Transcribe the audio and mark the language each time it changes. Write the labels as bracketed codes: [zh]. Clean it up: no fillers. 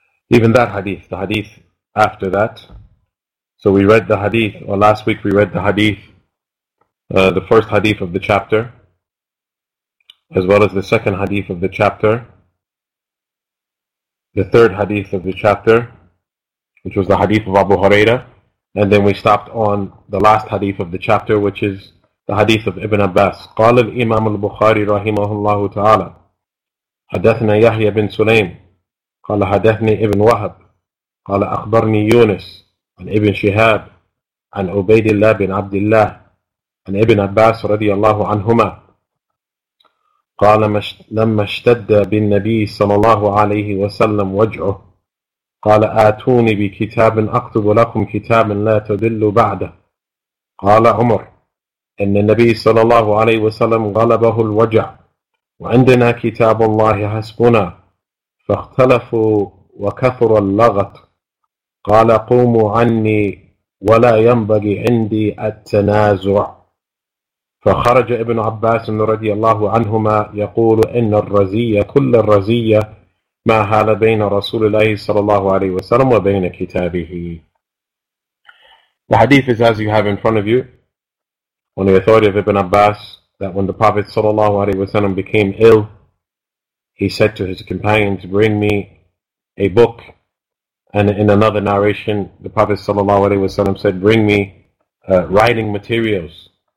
[en] Even that hadith, the hadith after that. So we read the hadith, or last week we read the hadith, the first hadith of the chapter, as well as the second hadith of the chapter, the third hadith of the chapter, which was the hadith of Abu Huraira, and then we stopped on the last hadith of the chapter, which is the hadith of Ibn Abbas. [ar] قال الإمام البخاري رحمه الله تعالى حدثنا يحيى بن سليم قال حدثني ابن وهب قال أخبرني يونس عن ابن شهاب عن عبيد الله بن عبد الله عن ابن عباس رضي الله عنهما قال لما اشتد بالنبي صلى الله عليه وسلم وجعه قال آتوني بكتاب أكتب لكم كتابا لا تضلوا بعده قال عمر إن النبي صلى الله عليه وسلم غلبه الوجع وعندنا كتاب الله حسبنا فاختلفوا وكثر اللغط قال قوموا عني ولا ينبغي عندي التنازع فخرج ابن عباس رضي الله عنهما يقول إن الرزية كل الرزية ما حال بين رسول الله صلى الله عليه وسلم وبين كتابه. [en] The hadith is as you have in front of you, on the authority of Ibn Abbas, that when the Prophet صلى الله عليه وسلم became ill, he said to his companions, bring me a book. And in another narration, the Prophet صلى الله عليه وسلم said, bring me writing materials.